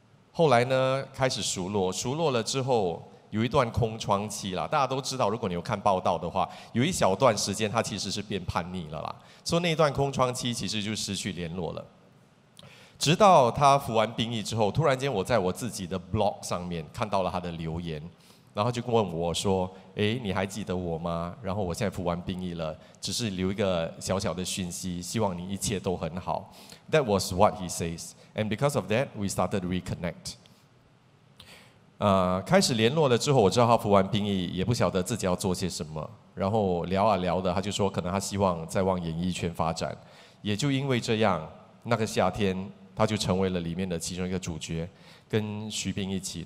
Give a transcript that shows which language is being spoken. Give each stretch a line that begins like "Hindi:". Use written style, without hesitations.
Chinese: 后来呢，开始熟络了之后有一段空窗期啦，大家都知道，如果你有看报道的话，有一小段时间他其实是变叛逆了啦，所以那段空窗期其实就失去联络了。直到他服完兵役之后，突然间我在我自己的 blog 上面看到了他的留言，然后就问我说，哎，你还记得我吗？然后我现在服完兵役了，只是留一个小小的讯息，希望你一切都很好。
English: That was what he says, and because of that we started to reconnect。
Chinese: 开始联络了之后，我知道他服完兵役，也不晓得自己要做些什么，然后聊啊聊的，他就说可能他希望再往演艺圈发展。也就因为这样，那个夏天他就成为了里面的其中一个主角，跟徐冰一起。